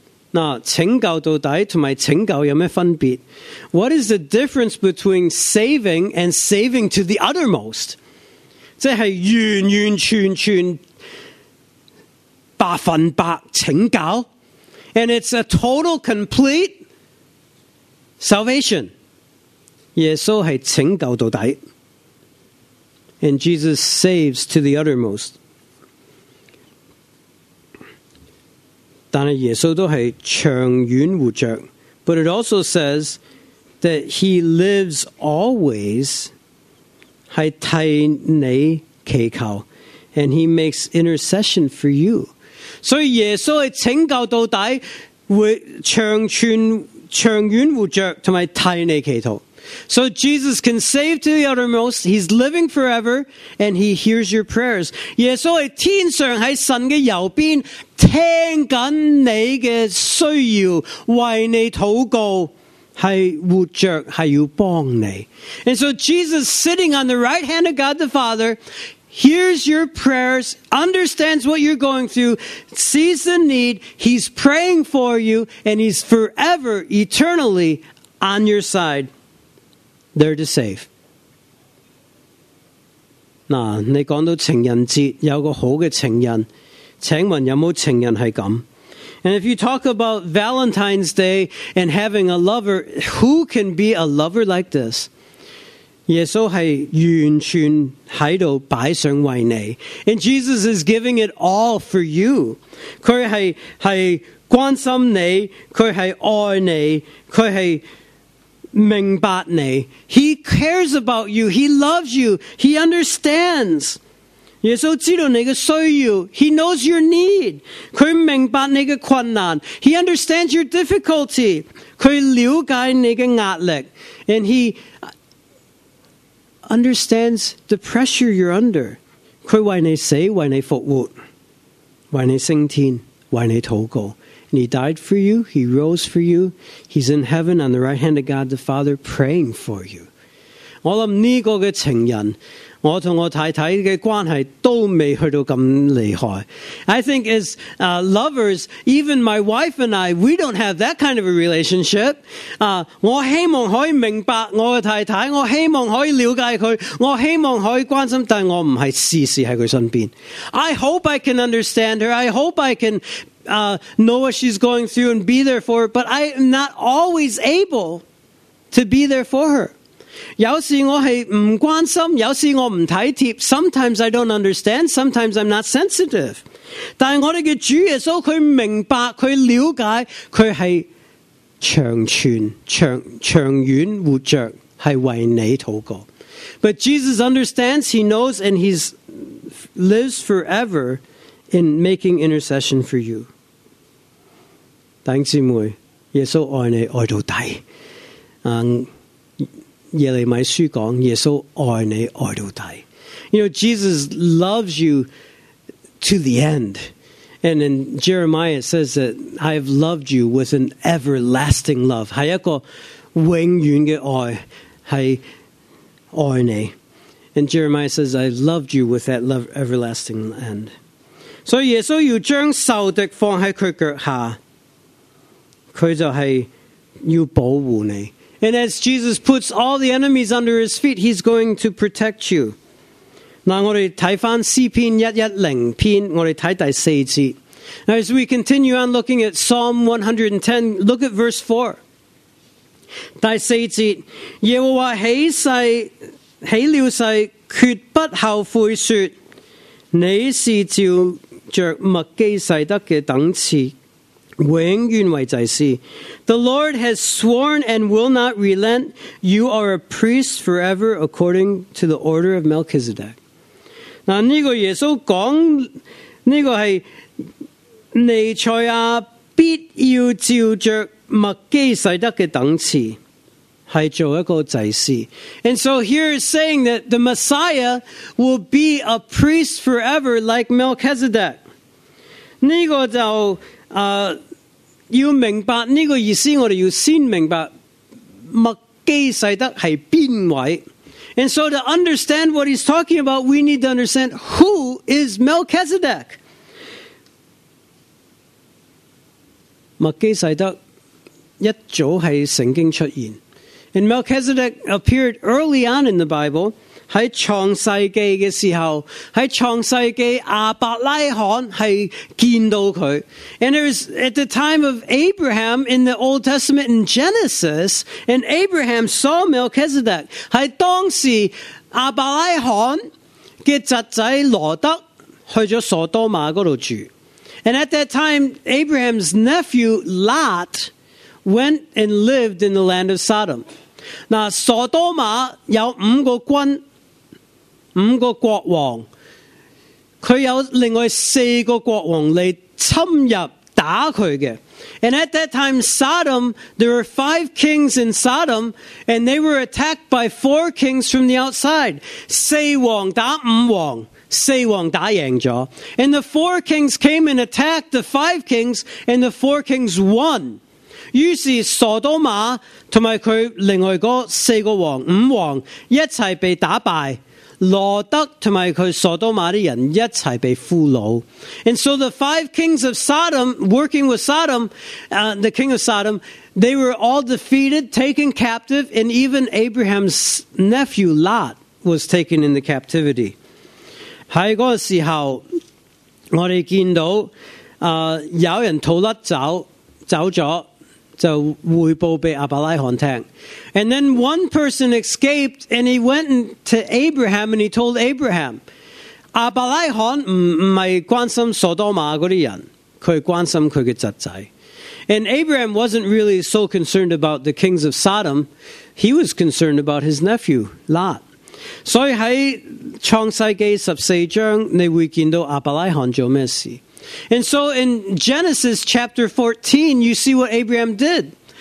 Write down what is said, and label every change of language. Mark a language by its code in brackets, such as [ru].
[zh] 那拯救到底和拯救有什么分别？ [en] What is the difference between saving and saving to the uttermost? [zh] 即是完完全全百分百拯救， [en] and it's a total complete salvation. [zh] 耶稣是拯救到底， [en] and Jesus saves to the uttermost. [zh] 但是耶稣都是长远活着， [en] but it also says that he lives always [zh] 是替你祈求， [en] and he makes intercession for you. [zh] 所以耶稣是拯救到底，长远活着和替你祈求。 [en] So Jesus can save to the uttermost, he's living forever, and he hears your prayers. [zh] 耶稣是天上在神的右边听紧你的需要，为你祷告，是活着，是要帮你。 [en] And so Jesus sitting on the right hand of God the Father, hears your prayers, understands what you're going through, sees the need, he's praying for you, and he's forever, eternally on your side, there to save. [zh] 那你讲到情人节，有个好的情人，请问有没有情人是这样？ [en] And if you talk about Valentine's Day and having a lover, who can be a lover like this? [zh] 耶稣是完全在这里摆上为你。 [en] And Jesus is giving it all for you. [zh] 他 是关心你，他是爱你，他是明白你。 [en] He cares about you. He loves you. He understands. [zh] 耶稣知道你的需要。 [en] He knows your need. [zh] 他明白你的困难。 [en] He understands your difficulty. [zh] 他了解你的压力。 [en] And he understands the pressure you're under. [zh] 他为你死，为你复活，为你升天，为你祷告。 [en] And he died for you. He rose for you. He's in heaven on the right hand of God the Father praying for you. [zh] 我想这个的情人，我和我太太的关系都没去到这么厉害。 [en] I think as lovers, even my wife and I, we don't have that kind of a relationship. [zh] 我希望可以明白我的太太，我希望可以了解她，我希望可以关心，但我不是时时在她身边。 [en] I hope I can understand her. I hope I can know what she's going through and be there for her, but I am not always able to be there for her. [zh] 有时我是不关心，有时我不体贴。 [en] Sometimes I don't understand. Sometimes I'm not sensitive. [zh] 但我们的主耶稣，他明白，他了解，他是长远活着，是为你祷告。 [en] But Jesus understands, he knows, and he lives forever in making intercession for you. [zh] 弟兄姊妹，耶稣爱你爱到底。耶利米书讲，耶稣爱你爱到底。 [en] You know, Jesus loves you to the end. And in Jeremiah it says that I have loved you with an everlasting love. [zh] 是一个永远的爱，是爱你。 [en] And Jeremiah says, I loved you with that love, everlasting end. [zh] 所以耶稣要将仇敌放在他脚下。他就是要保护你。 [en] And as Jesus puts all the enemies under his feet, he's going to protect you. [zh] 那我们看回诗篇110篇，我们看第四节。 [en] Now, as we continue on looking at Psalm 110, look at verse 4. [zh] 第四节，耶和华起了誓，绝不后悔说，你是照着麦基洗德的等次。 [en] The Lord has sworn and will not relent. You are a priest forever according to the order of Melchizedek. [zh] 那这个耶稣讲，这个是尼赛亚必要照着麦基洗德的等次，是做一个祭司。 [en] And so here is saying that the Messiah will be a priest forever like Melchizedek. [zh] 这个就要明白这个意思，我们要先明白麦基洗德是边位。 [en] And so to understand what he's talking about, we need to understand who is Melchizedek. [zh] 麦基洗德一早在圣经出现。 [en] And Melchizedek appeared early on in the Bible. [zh] 在创世纪的时候，在创世纪亚伯拉罕是见到他。 [en] And there's at the time of Abraham in the Old Testament in Genesis, and Abraham saw Melchizedek. [zh] 在当时亚伯拉罕的侄子罗德去了索多玛那里住。 [en] And at that time, Abraham's nephew Lot went and lived in the land of Sodom. [zh] 那索多玛有五个君，五个国王，他有另外四个国王来侵入打他的。 [en] And at that time, Sodom, there were five kings in Sodom, and they were attacked by four kings from the outside. [zh] 四王打五王，四王打赢了。 [en] And the four kings came and attacked the five kings, and the four kings won. [zh] 于是索多玛和他另外那四个王，五王一起被打败。罗德和他索多玛的人一起被俘虏。 [en] And so the five kings of Sodom, working with Sodom, the king of Sodom, they were all defeated, taken captive, and even Abraham's nephew Lot was taken into captivity. [zh] 在那时候，我们看到有人逃脱走了，就汇报被亚伯拉罕听。 [en] And then one person escaped, and he went to Abraham, and he told Abraham, [zh] 亚伯拉罕不是关心索多玛那些人，他关心他的侄子。 [en] And Abraham wasn't really so concerned about the kings of Sodom. He was concerned about his nephew, Lot. So in the 創世記14章, we see that Abraham did what he did. And so in Genesis chapter 14, you see what Abraham did.